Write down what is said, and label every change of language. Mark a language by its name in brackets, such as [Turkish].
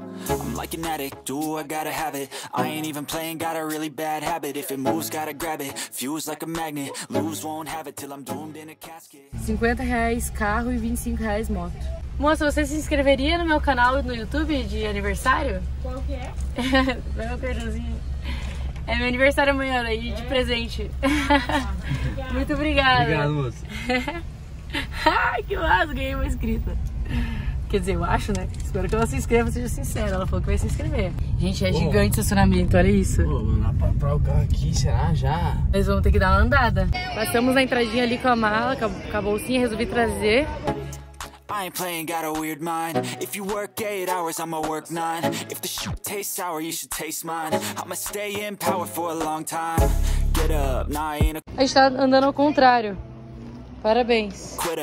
[English] I'm like an addict, do I gotta have it? I ain't even playing, got a really bad habit. If it moves, gotta grab it. Fuse like a magnet, lose won't have it till I'm doomed in a casket. [Portuguese] R$50 carro e R$25 moto. Moça, você se inscreveria no meu canal no YouTube de aniversário? Qual que é? Meu cartãozinho. É meu aniversário amanhã aí, de presente. Muito obrigada. Obrigado, moça. Ai, que massa, ganhei uma inscrita. Quer dizer, eu acho, né? Espero que ela se inscreva, seja sincera. Ela falou que vai se inscrever. Gente, é gigante o estacionamento, olha isso. Pô, mandar pra comprar o carro aqui, será? Já? Nós vamos ter que dar uma andada. Passamos na entradinha ali com a mala, com a bolsinha, resolvi trazer. [English] I ain't playing, got a weird mind. If you work 8 hours, I'ma work 9. If the shit tastes sour, you should taste mine. I'ma stay in power for a long time. Get up, nah, I ain't a... [Portuguese] A gente tá andando ao contrário. Parabéns.